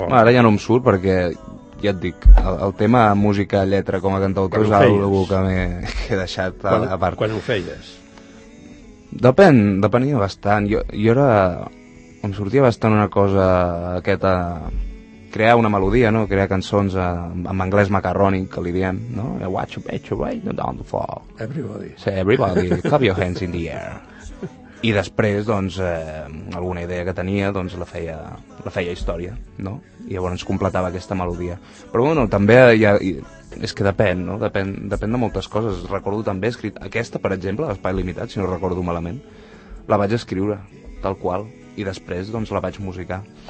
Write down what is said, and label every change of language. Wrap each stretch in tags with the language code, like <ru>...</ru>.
<ca>vegada? Ara ja no em surt perquè, ja et dic, el tema música, lletra, com a cantautor és algo que m'he deixat a part. Quan ho feies? Depenia bastant. Jo era... Em sortia bastant una cosa aquesta... Crear una melodia, no? Crear cançons en anglès macarrònic, que li diem, no?</ca> <en>I watch a picture right down the floor. Everybody. Say everybody, clap your hands in the air.</en> <ca>I després, doncs, alguna idea que tenia, doncs, la feia història, no? I llavors completava aquesta melodia. Però, bueno, també hi ha... És que depèn, no? Depèn de moltes coses. Recordo també escrit... Aquesta, per exemple, l'Espai Limitat, si no recordo malament, la vaig escriure, tal qual, i després, doncs, la vaig musicar.</ca>